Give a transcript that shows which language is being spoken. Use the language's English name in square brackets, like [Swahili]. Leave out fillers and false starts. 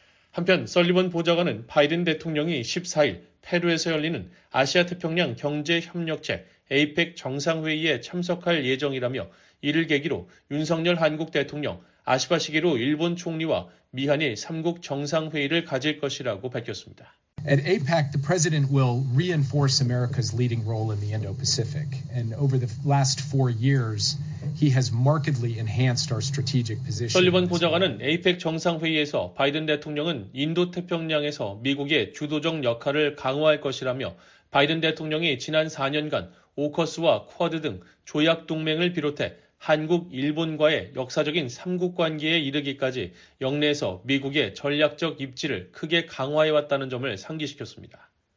[Korean] 한편 설리번 보좌관은 바이든 대통령이 14일 페루에서 열리는 아시아태평양 경제협력체 APEC 정상회의에 참석할 예정이라며 이를 계기로 윤석열 한국 대통령, 아시바 시기로 일본 총리와 미한일 3국 정상회의를 가질 것이라고 밝혔습니다. [English] At APEC, the president will reinforce America's leading role in the Indo-Pacific. And over the last four years, he has markedly enhanced our strategic position. [Korean] 설리번 보좌관은 APEC 정상회의에서 바이든 대통령은 인도태평양에서 미국의 주도적 역할을 강화할 것이라며 바이든 대통령이 지난 4년간 오커스와 쿼드 등 조약 동맹을 비롯해 한국, 일본과의 역사적인 3국 관계에 이르기까지 역내에서 미국의 전략적 입지를 크게 강화해왔다는 점을 상기시켰습니다.